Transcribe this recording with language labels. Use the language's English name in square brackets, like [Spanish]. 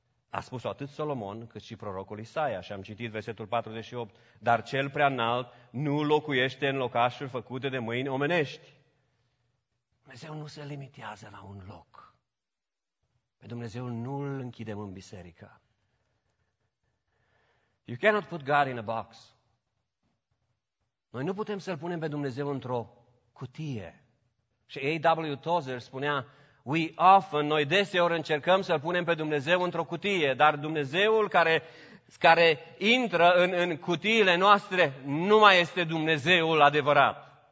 [Romanian] A spus-o atât Solomon cât și prorocul Isaia și am citit versetul 48. Dar cel prea înalt nu locuiește în locașuri făcute de mâini omenești. Dumnezeu nu se limitează la un loc. Pe Dumnezeu nu îl închidem în biserică. [English] You cannot put God in a box. [Romanian] Noi nu putem să-L punem pe Dumnezeu într-o cutie. Și A.W. Tozer spunea, noi deseori încercăm să-L punem pe Dumnezeu într-o cutie, dar Dumnezeul care intră în cutiile noastre nu mai este Dumnezeul adevărat.